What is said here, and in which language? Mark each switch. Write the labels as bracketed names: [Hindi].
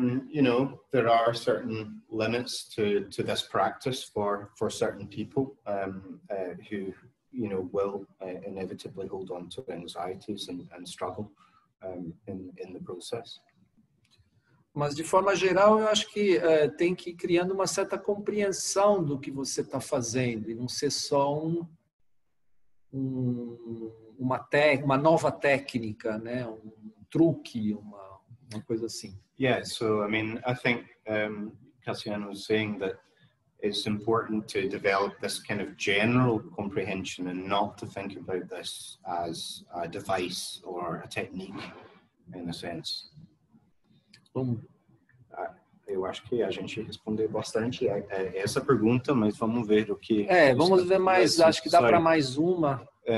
[English] You know, there are certain limits to this practice for certain people who, you know, will inevitably hold on to anxieties and struggle in the process. [Portuguese] Mas, de forma geral, eu acho que tem que ir criando uma certa compreensão do que você está fazendo e não ser só uma nova técnica, né? Um truque, uma coisa assim. [English] Yeah, so, I mean, I think Cassiano was saying that it's important to develop this kind of general comprehension and not to think about this as a device or a technique, in a sense. [Portuguese] Eu acho que a gente respondeu bastante essa pergunta, mas vamos ver o que... Vamos ver mais, acho que dá para mais uma.